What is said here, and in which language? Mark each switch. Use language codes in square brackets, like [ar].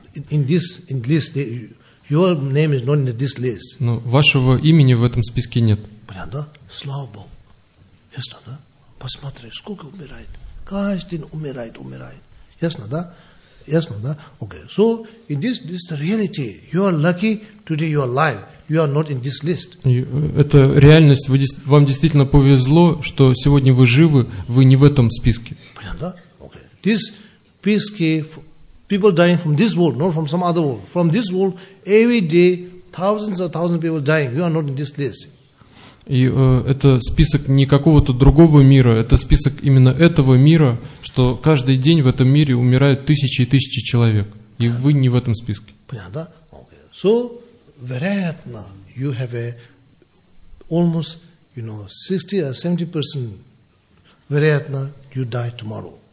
[en] In this list, your name is not in this list. [ru] Но вашего имени в этом списке нет. Понятно, да? Слава Богу. Ясно, да? Посмотри, сколько умирает. Каждый умирает. Ясно, да? Ясно, да? Okay. [en] So, in this is the reality. You are lucky, today you are alive. You are not in this list. [ru] Это реальность. Вам действительно повезло, что сегодня вы живы, вы не в этом списке. Понятно, да? [en] Okay. This списке people dying from this world, not from some other world. From this world, every day, thousands and thousands of people dying. You are not in this list. [ru] И это список не какого-то другого мира, это список именно этого мира, что каждый день в этом мире умирают тысячи и тысячи человек. И вы не в этом списке. [en] Понятно, да? Okay. So, вероятно, you have almost, you know, 60 or 70% вероятно, you die tomorrow.